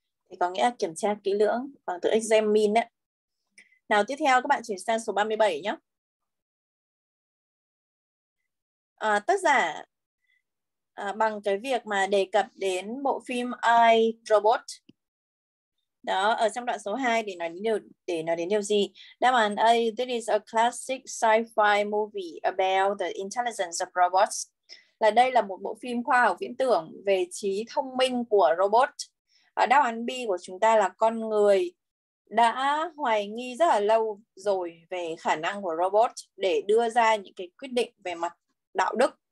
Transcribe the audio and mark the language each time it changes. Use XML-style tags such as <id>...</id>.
<vi>Thì có nghĩa là kiểm tra kỹ lưỡng bằng từ examine đấy. Nào, tiếp theo các bạn chuyển sang số 37 nhé. Tác giả bằng cái việc mà đề cập đến bộ phim I, Robot. Đó, ở trong đoạn số 2 để nói đến điều gì? Đáp án A,</vi> <en>this is a classic sci-fi movie about the intelligence of robots.</en> <vi>Là đây là một bộ phim khoa học viễn tưởng về trí thông minh của robot. Và đáp án B của chúng ta là con người đã hoài nghi rất là lâu rồi về khả năng của robot để đưa ra những cái quyết định về mặt đạo đức.</vi>